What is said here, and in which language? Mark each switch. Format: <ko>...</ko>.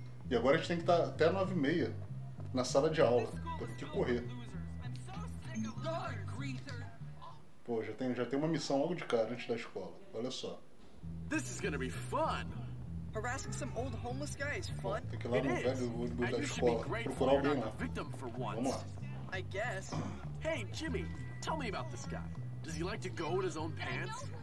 <pt>E agora a gente tem que estar até 9h30 na sala de aula. Temos que correr. Pô, já tem uma missão logo de cara antes da escola. Olha só. Isso vai ser divertido.</pt> <en>Harassing some old homeless guy is fun.</en> <pt>Tem que ir lá no velho da escola procurar alguém lá. Vamos lá.</pt> <en>I guess. Hey, Jimmy, tell me about this guy. Does he like to go in his own pants?</en>